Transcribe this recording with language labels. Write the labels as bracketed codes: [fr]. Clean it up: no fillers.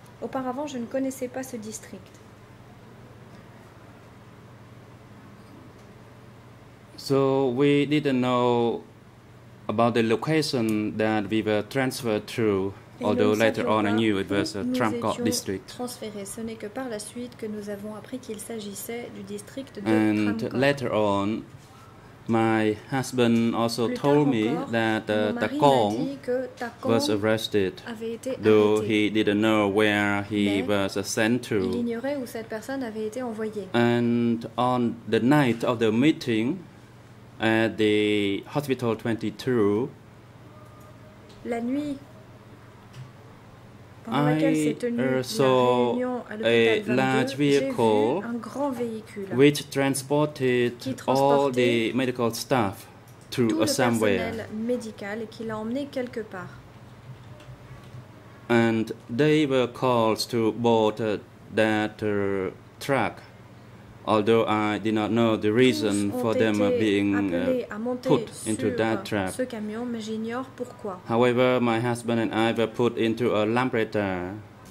[fr] Auparavant, je ne connaissais pas ce district. [en] So we didn't know about the location that we were transferred to, although later on I knew it was a Tramcock district. [fr] Ce n'est que par la suite que nous avons appris qu'il s'agissait du district de [en] And Tramcock. Later on, my husband also [fr] Plus [en] told me that Takong was arrested, though he didn't know where he was sent to. [fr] Il ignorait où cette personne avait été envoyée. [en] And on the night of the meeting, at the Hospital 22, [fr] la nuit pendant laquelle s'est tenue la réunion à l'hôpital 22, j'ai vu un grand véhicule [en] which transported all the medical staff to somewhere. [fr] Le personnel médical qui l'a emmené quelque part. [en] And they were called to board that truck, although I did not know the reason for them being put into that truck. [fr] Ce camion, mais j'ignore pourquoi. [en] However, my husband and I were put into a lamprechaun.